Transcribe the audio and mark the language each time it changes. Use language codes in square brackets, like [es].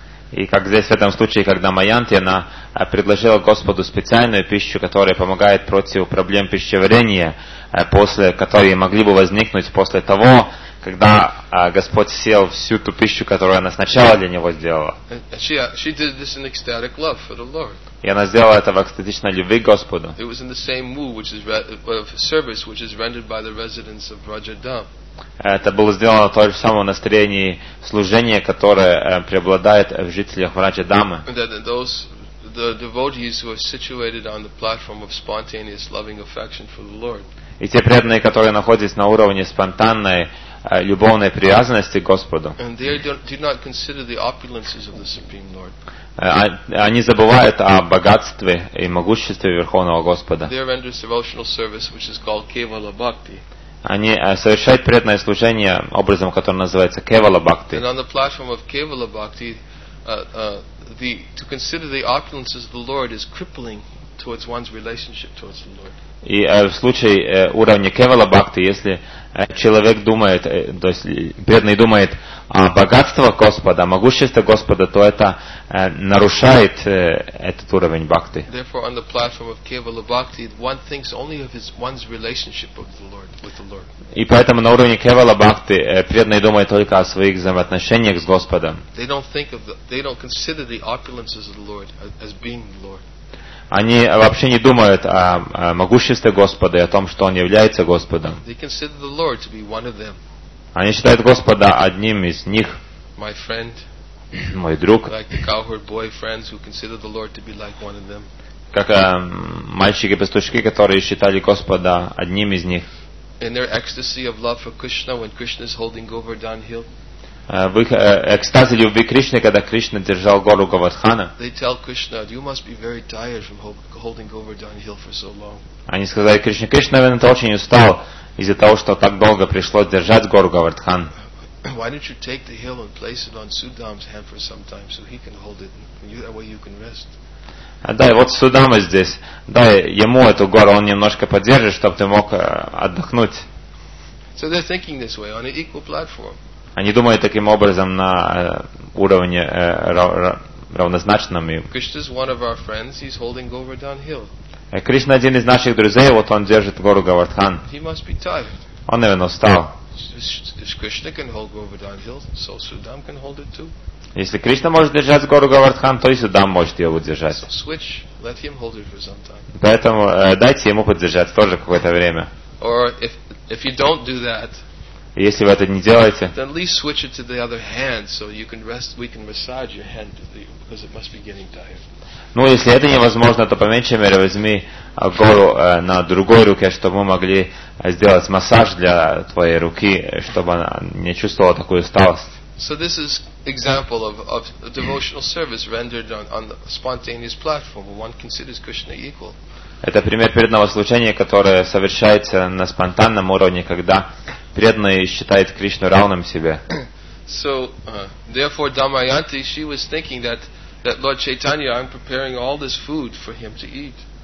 [ru] И как здесь в этом случае, когда Майянти, она предложила Господу специальную пищу, которая помогает против проблем пищеварения, после которой могли бы возникнуть после того, когда Господь съел всю ту пищу, которую она сначала для него сделала. [en] She did this in ecstatic love for the Lord. [ru] И она сделала это в экстатичной любви к Господу. [en] It was in the same mood, which is service, which is rendered by the residents of Rajadham. [ru] Это было сделано в том же самом настроении служения, которое преобладает в жителях Раджа-дамы. [en] The devotees who are situated on the platform of spontaneous loving affection for the Lord. [ru] И те преданные, которые находятся на уровне спонтанной любовной привязанности к Господу. [en] And they do not consider the opulences of the Supreme Lord. [ru] Они забывают о богатстве и могуществе Верховного Господа. [en] They render devotional service, which is called Kevala Bhakti. [ru] Они совершают преданное служение образом, который называется Кевала Бхакти. [en] And on the platform of Kevala Bhakti, to consider the opulences of the Lord is crippling towards one's relationship towards the Lord. [ru] И в случае уровня Кевала Бхакти, если человек думает, то есть преданный думает о богатстве Господа, о могуществе Господа, то это нарушает этот уровень Бхакти. [en] Therefore, on the platform of Kevala Bhakti, one thinks only of one's relationship with the Lord. [ru] И поэтому на уровне Кевала Бхакти преданный думает только о своих взаимоотношениях с Господом. [en] They don't consider the opulences of the Lord as being the Lord. [ru] Они вообще не думают о могуществе Господа и о том, что Он является Господом. [en] They consider the Lord to be one of them. [ru] Они считают Господа одним из них. [en] My friend, [ru] мой друг. [en] Like the cowherd boy friends who consider the Lord to be like one of them. [ru] Как мальчики-пастушки, которые считали Господа одним из них. [en] In their ecstasy of love for Krishna, when Krishna is holding Govardhan Hill. [ru] В их экстазе любви Кришны, когда Кришна держал гору Говардхана, они сказали Кришне, Кришна, наверное, ты очень устал из-за того, что так долго пришлось держать гору Говардхан. Дай, вот Судама здесь, дай ему эту гору, он немножко подержит, чтобы ты мог отдохнуть. [en] So they're thinking this way on an equal platform. [ru] Они думают таким образом на уровне равнозначном. [en] Krishna is one of our friends. He's holding Govardhan Hill. [ru] Кришна один из наших друзей, вот он держит гору Говардхан. [en] He must be tired. [ru] Он, наверное, устал. [en] If Krishna can hold Govardhan Hill, so Sudam can hold it too. [ru] Если Кришна может держать гору Говардхан, то и Судам может ее удержать. [en] Switch, let him hold it for some time. [ru] Поэтому дайте ему поддержать тоже какое-то время. [en] Or if you don't do that, [ru] если вы это не делаете, [en] then at least switch it to the other hand so you can rest, we can massage your hand because it must be getting tired. [ru] Ну, если это невозможно, то по меньшей мере возьми гору на другой руке, чтобы мы могли сделать массаж для твоей руки, чтобы она не чувствовала такую усталость. [en] So this is example of a devotional service rendered on the spontaneous platform where one considers Krishna equal. [ru] Это пример преданного служения, которое совершается на спонтанном уровне, когда преданный считает Кришну равным себе. [en] So, therefore, Damayanti, she was thinking that Lord Chaitanya, I'm preparing all this food for him to eat.